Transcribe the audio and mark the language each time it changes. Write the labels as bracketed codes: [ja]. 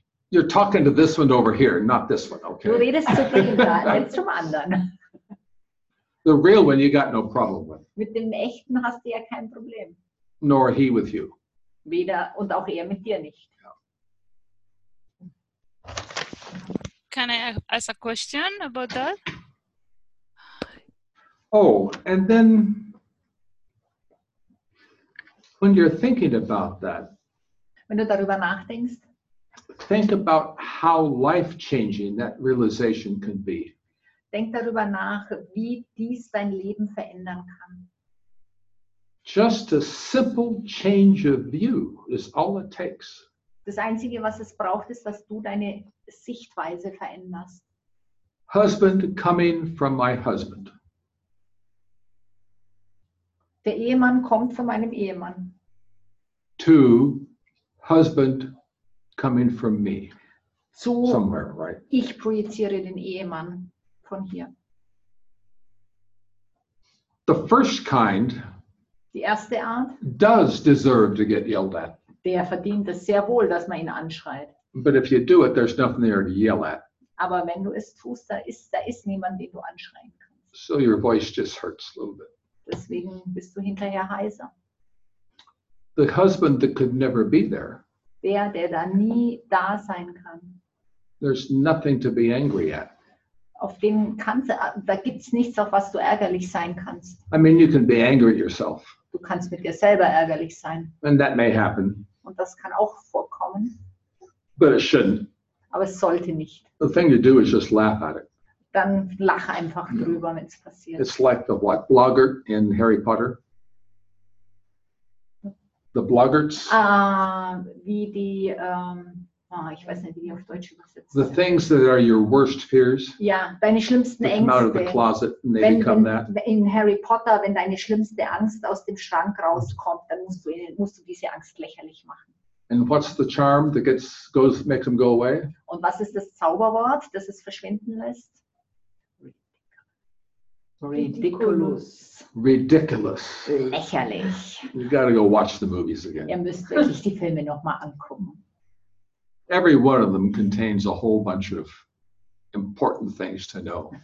[en] You're talking to this one over here, not this one, okay? [de] Du redest zu dem da, jetzt zum anderen. [en] The real one you got no problem with. [de] Mit dem echten hast du ja kein Problem. [en] Nor he with you. [de] Weder und auch er mit dir nicht. [en] Can I ask a question about that? Oh, and then when you're thinking about that, [de] wenn du darüber nachdenkst, [en] think about how life-changing that realization can be. [de] Denk darüber nach, wie dies dein Leben verändern kann. [en] Just a simple change of view is all it takes. [de] Das Einzige, was es braucht, ist, dass du deine Sichtweise veränderst. [en] Husband coming from my husband. [de] Der Ehemann kommt von meinem Ehemann. [en] To husband coming from me. [de] Zu [en] somewhere, right? [de] Ich projiziere den Ehemann. Von hier. [en] The first kind, [de] die erste Art, [en] does deserve to get yelled at. [de] Der verdient es sehr wohl, dass man ihn anschreit. [en] But if you do it, there's nothing there to yell at. [de] Aber wenn du es tust, da ist niemand, den du anschreien kannst. [en] So your voice just hurts a little bit. [de] Deswegen bist du hinterher heiser. [en] The husband that could never be there. [de] Der da nie da sein kann. [en] There's nothing to be angry at. [de] Auf den kannst, da gibt's nichts, auf was du ärgerlich sein kannst. [en] I mean, you can be angry at yourself. [de] Du kannst mit dir selber ärgerlich sein. [en] And that may happen. [de] Und das kann auch vorkommen. [en] But it shouldn't. [de] Aber es sollte nicht. [en] The thing to do is just laugh at it. [de] Dann lach einfach drüber, yeah, wenn's passiert. [en] It's like the what? Blogger in Harry Potter? The bloggers? [de] Wie die... ich weiß nicht, wie die auf Deutsch übersetzt. [en] The things that are your worst fears. [de] Ja, deine schlimmsten Ängste. [en] Come out of the closet and they become that. [de] In Harry Potter, wenn deine schlimmste Angst aus dem Schrank rauskommt, dann musst du diese Angst lächerlich machen. [en] And what's the charm that makes them go away? [de] Und was ist das Zauberwort, das es verschwinden lässt? [en] Ridiculous. Ridiculous. [de] Lächerlich. [en] You gotta go watch the movies again. [de] Ihr müsst wirklich die Filme nochmal angucken. [en] Every one of them contains a whole bunch of important things to know.